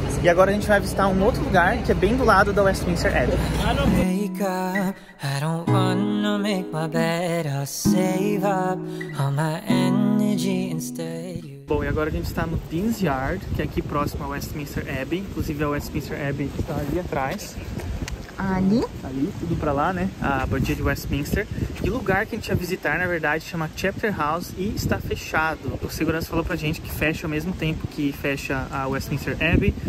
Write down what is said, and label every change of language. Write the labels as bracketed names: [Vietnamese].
[Portuguese] E agora a gente vai visitar um outro lugar, que é bem do lado da Westminster Abbey. [English] Make up, I don't wanna make my bed, I'll save up all my energy instead. [Portuguese] Bom, e agora a gente está no Dean's Yard, que é aqui próximo ao Westminster Abbey. Inclusive, a Westminster Abbey está ali atrás. ali. Ali, tudo pra lá, né? A abadia de Westminster. E o lugar que a gente ia visitar, na verdade, chama Chapter House e está fechado. O segurança falou pra gente que fecha ao mesmo tempo que fecha a Westminster Abbey.